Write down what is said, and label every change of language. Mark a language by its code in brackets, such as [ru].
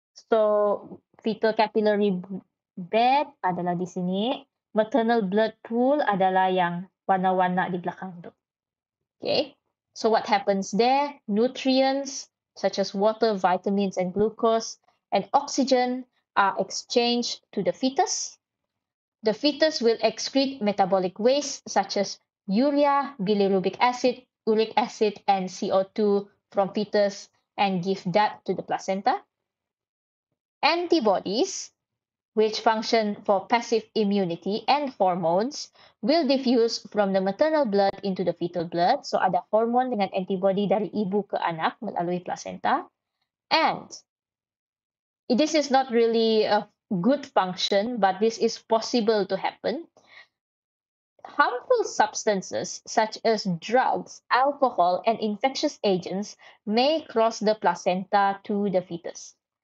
[ms] So, fetal capillary bed adalah di sini, maternal blood pool adalah yang warna-warna di belakang itu. [en] Okay, so what happens there? Nutrients such as water, vitamins, and glucose, and oxygen are exchanged to the fetus. The fetus will excrete metabolic waste such as urea, bilirubic acid, uric acid, and CO2 from fetus and give that to the placenta. Antibodies, which function for passive immunity and hormones, will diffuse from the maternal blood into the fetal blood. [ms] So ada hormon dengan antibody dari ibu ke anak melalui placenta. [en] And this is not really a good function, but this is possible to happen. Harmful substances such as drugs, alcohol, and infectious agents may cross the placenta to the fetus.